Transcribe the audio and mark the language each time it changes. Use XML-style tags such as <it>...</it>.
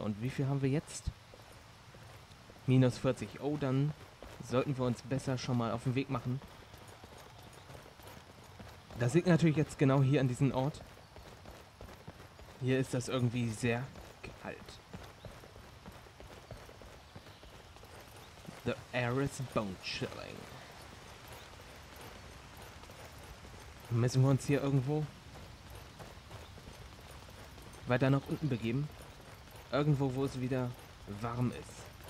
<de>Und wie viel haben wir jetzt? Minus 40. Oh, dann sollten wir uns besser schon mal auf den Weg machen. Das liegt natürlich jetzt genau hier an diesem Ort. Hier ist das irgendwie sehr kalt.</de> <en>The air is bone chilling.</en> <de>Müssen wir uns hier irgendwo weiter nach unten begeben? Irgendwo, wo es wieder warm ist.</de>